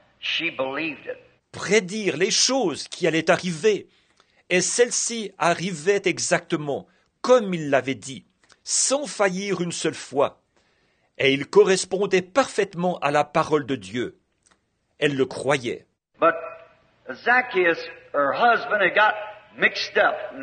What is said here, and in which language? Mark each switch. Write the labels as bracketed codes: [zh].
[en] She believed it. [fr] Prédire les choses qui allaient arriver. Et celles-ci arrivaient exactement comme il l'avait dit, sans faillir une seule fois. Et il correspondait parfaitement à la parole de Dieu. Elle le croyait. [en] But Zacchaeus, her husband, had got mixed up.